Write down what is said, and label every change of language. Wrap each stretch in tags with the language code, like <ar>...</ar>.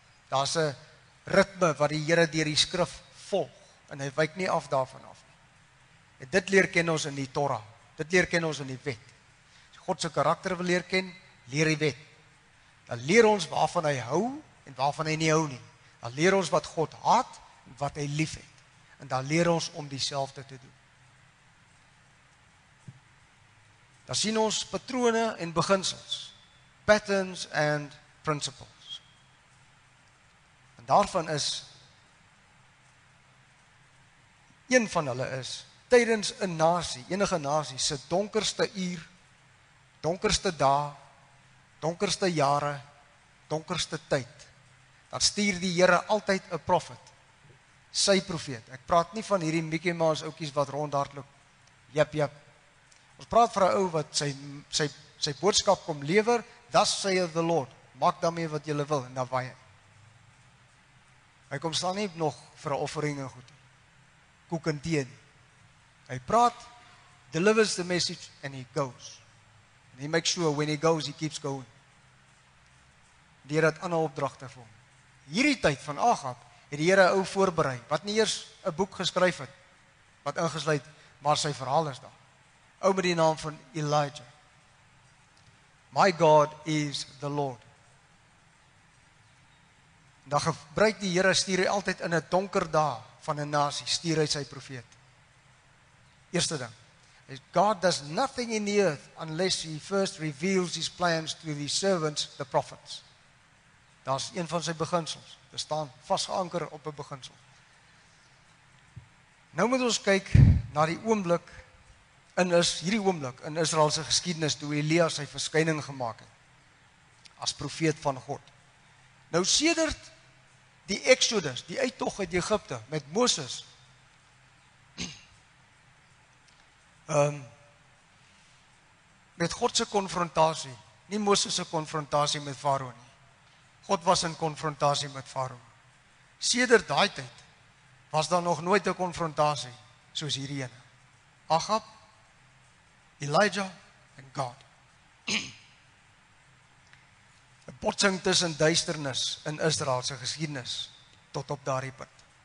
<af>Daar's 'n ritme wat die Here deur die skrif volg en hy wyk nie af daarvan af nie. En dit leer ken ons in die Torah. Dit leer ken ons in die wet. God se karakter wil leer ken, leer die wet. Dan leer ons waarvan hy hou en waarvan hy nie hou nie. Dan leer ons wat God haat en wat hy lief het. En dan leer ons om dieselfde te doen. Dan sien ons patrone en beginsels.</af> <en>Patterns and principles.</en> <af>En daarvan is, een van hulle is, tydens 'n nasie, enige nasie, se donkerste uur, donkerste dae, donkerste jare, donkerste tyd, dan stuur die Here altyd 'n profet, sy profeet. Ek praat nie van hierdie Mickey Mouse ouppies wat rondhardloop. Jep, jep. Ons praat vir 'n ou wat sy boodskap kom lewer,</af> <en>thus saith the Lord,</en> <af>maak daarmee wat jy wil, en dan waai hy. Hy kom staan nie nog vir 'n offering en goed, koek en tee. Hy praat,</af> <en>delivers the message, and he goes. He makes sure when he goes, he keeps going.</en> <af>Die Here het ander opdragte vir hom. Hierdie tyd van Agab, het die Here ou voorberei, wat nie eers 'n boek geskryf het, wat ingesluit, maar sy verhaal is daar. Ou met die naam van Elijah.</af> <en>My God is the Lord.</en> <af>Dan gebruik die Here, stuur hy altyd in 'n donker dag van 'n nasie, stuur hy sy profeet. Eerste ding,</af> <en>God does nothing in the earth unless he first reveals his plans to the servants, the prophets.</en> <af>Dat is een van sy beginsels. We staan vastgeanker op 'n beginsel. Nou moet ons kyk na die oomblik, hierdie oomblik in Israëlse geskiedenis, toe Elia sy verskyning gemaak het, as profeet van God. Nou sedert die Exodus, die uittog uit Egypte met Moses, met Godse konfrontasie, nie Moses' konfrontasie met Farao nie, God was in konfrontasie met Farao. Sedert daai tyd, was daar nog nooit 'n konfrontasie soos hierdie ene. Agab, Elijah en God. 'n botsing tussen duisternis in Israëlse geskiedenis tot op daardie punt.</af>